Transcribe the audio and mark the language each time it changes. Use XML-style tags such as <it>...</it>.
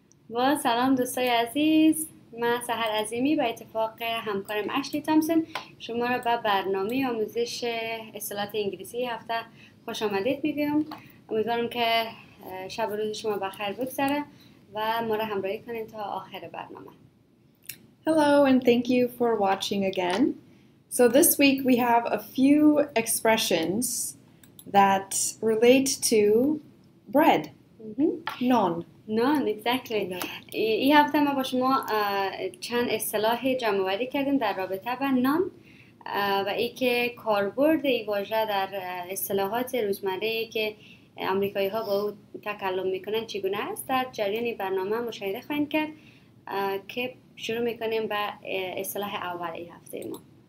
<fa>با سلام دوستای عزیز، من سحر عظیمی با اتفاق همکارم اشلی تامپسن شما را به برنامه آموزش اصطلاحات انگلیسی هفته خوش آمدید میگم. امیدوارم که شب و روز شما بخیر بگذره و ما را همراهی کنید تا آخر برنامه.</fa> <en>Hello and thank you for watching again. So this week we have a few expressions that relate to bread. Naan. Naan, exactly.</en> <fa>این هفته ما با شما چند اصطلاح جمع‌آوری کردیم در رابطه با نان و ای که کاربرد این واژه در اصطلاحات روزمره که آمریکایی‌ها با او تکلم می‌کنند چگونه است در جریان برنامه مشاهده خواهید کرد که شروع میکنیم با اصطلاح اولی هفته ما.</fa>